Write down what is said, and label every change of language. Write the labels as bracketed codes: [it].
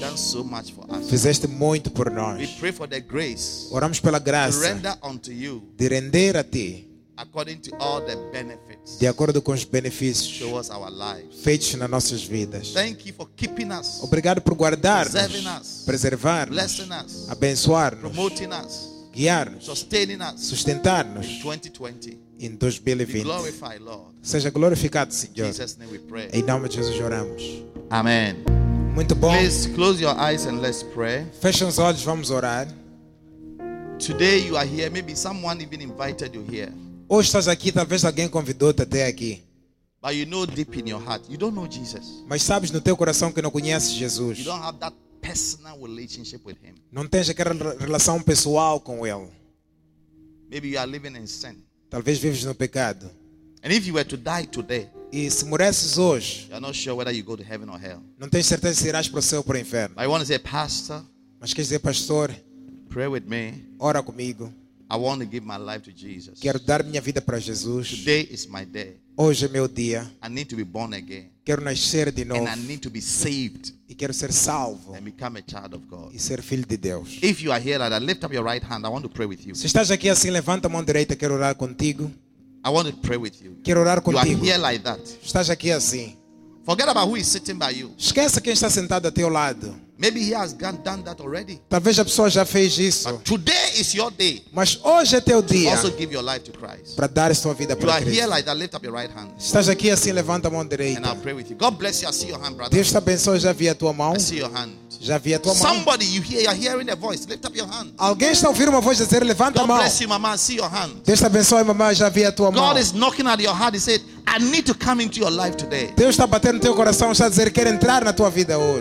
[en] You have done so much for us. [pt] Fizeste muito por nós. [en] We pray for the grace. [pt] Oramos pela graça [en] to render unto you [pt] de render a ti [en] according to all the benefits [pt] de acordo com os benefícios [en] show us our lives [pt] feitos nas nossas vidas. [en] Thank you for keeping us. [pt] Obrigado por guardar-nos, [en] preserving us, [pt] preservar-nos, [en] blessing us, [pt] abençoar-nos, [en] promoting us, [pt] guiar-nos, sustentar-nos em 2020. Seja glorificado, Senhor. Em nome de Jesus oramos. Amém. Muito bom. [en] Please close your eyes and let's pray. [pt] Fechem os olhos, vamos orar. [en] Today you are here. Maybe someone even invited you here. [pt] Hoje estás aqui, talvez alguém convidou-te até aqui. [en] But you know deep in your heart, you don't know Jesus. [pt] Mas sabes no teu coração que não conheces Jesus. [en] You don't have that personal relationship with him. [pt] Não tens aquela relação pessoal com ele. [en] Maybe you are living in sin. [pt] Talvez vives no pecado. [en] And if you were to die today, [pt] e se morresses hoje, [en] you are not sure whether you go to heaven or hell. [pt] Não tens certeza se irás para o céu ou para o inferno. [en] I want to say, pastor, [pt] mas queres dizer, pastor, [en] pray with me. [pt] Ora comigo. [en] I want to give my life to Jesus. [pt] Quero dar minha vida para Jesus. [en] Today is my day. [pt] Hoje é meu dia. [en] I need to be born again. [pt] Quero nascer de novo. [en] And I need to be saved. [pt] E quero ser salvo. [en] And become a child of God. [pt] E ser filho de Deus. [en] If you are here like that, lift up your right hand. I want to pray with you. [pt] Se estás aqui assim, levanta a mão direita, quero orar contigo. [en] I want to pray with you. [pt] Quero orar contigo. [en] You are here like that. [pt] Estás aqui assim. [en] Forget about who is sitting by you. [pt] Esquece quem está sentado ao teu lado. [en] Maybe he has done that already. [pt] Talvez a pessoa já fez isso. [en] But today is your day. [pt] Mas hoje é teu dia. [en] Also give your life to Christ. [pt] Para dar sua vida para Cristo. [en] You are here like that. Lift up your right hand. [pt] Estás aqui assim, levanta a mão direita. [en] And I'll pray with you. God bless you. I see your hand, brother. [pt] Deus te abençoe. Já vi a tua mão. [en] I see your hand. [pt] Já vi a tua mão. [en] Somebody, you hear, you are hearing a voice. Lift up your hand. [pt] Alguém está ouvindo uma voz dizer, levanta a mão. [en] God bless you, mama. I see your hand. [pt] Deus te abençoe, mamãe. Já vi a tua mão. [en] God is knocking at your heart. He said, I need to come into your life today. [pt] Deus está batendo no teu coração, está dizendo, quer entrar na tua vida hoje.